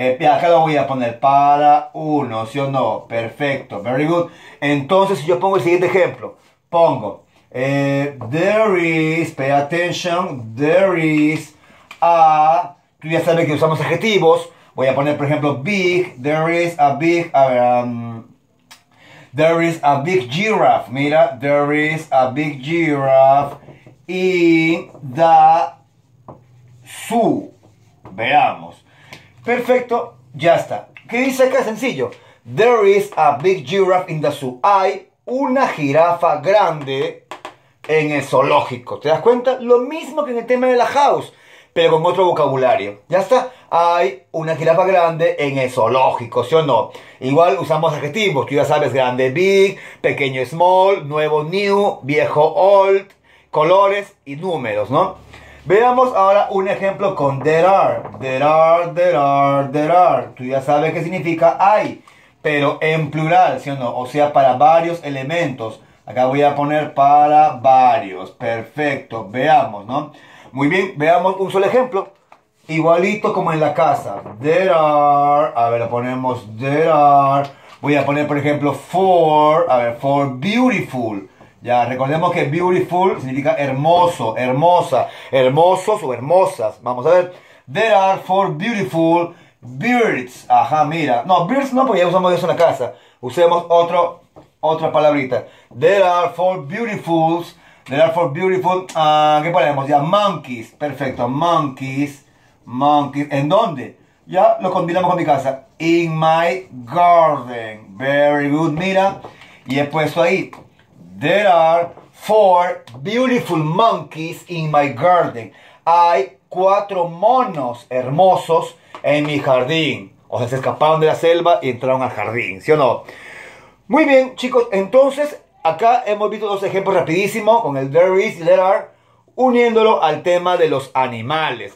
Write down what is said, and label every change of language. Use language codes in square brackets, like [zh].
[es] Acá lo voy a poner para uno, ¿sí o no? Perfecto. [en] Very good. [es] Entonces, si yo pongo el siguiente ejemplo, pongo [en] there is, pay attention, there is a. [es] Tú ya sabes que usamos adjetivos. Voy a poner, por ejemplo, big. [en] There is a big. [es] A ver, [en] there is a big giraffe. [es] Mira, [en] there is a big giraffe in the zoo. [es] Veamos. Perfecto, ya está. ¿Qué dice acá? Sencillo. [en] There is a big giraffe in the zoo. [es] Hay una jirafa grande en el zoológico. ¿Te das cuenta? Lo mismo que en el tema de la house, pero con otro vocabulario. Ya está. Hay una jirafa grande en el zoológico, ¿sí o no? Igual usamos adjetivos. Tú ya sabes, grande, big, pequeño, small, nuevo, new, viejo, old, colores y números, ¿no? Veamos ahora un ejemplo con [en] there are. There are, there are, there are. [es] Tú ya sabes qué significa hay, pero en plural, ¿sí o no? O sea, para varios elementos. Acá voy a poner para varios. Perfecto. Veamos, ¿no? Muy bien, veamos un solo ejemplo. Igualito como en la casa. [en] There are. [es] A ver, lo ponemos [en] there are. [es] Voy a poner, por ejemplo, for. A ver, [en] for beautiful. [es] Ya, recordemos que beautiful significa hermoso, hermosa, hermosos o hermosas. Vamos a ver. [en] There are for beautiful birds. [es] Ajá, mira. No, birds no, porque ya usamos eso en la casa. Usemos otra palabrita. [en] There are for beautifuls. There are for beautiful. [es] ¿Qué ponemos? Ya, monkeys. Perfecto. Monkeys. Monkeys. ¿En dónde? Ya lo combinamos con mi casa. [en] In my garden. Very good. [es] Mira. Y he puesto ahí. [en] There are four beautiful monkeys in my garden. [es] Hay cuatro monos hermosos en mi jardín. O sea, se escaparon de la selva y entraron al jardín. ¿Sí o no? Muy bien, chicos. Entonces, acá hemos visto dos ejemplos rapidísimo con el [en] there is [es] y [en] there are, [es] uniéndolo al tema de los animales.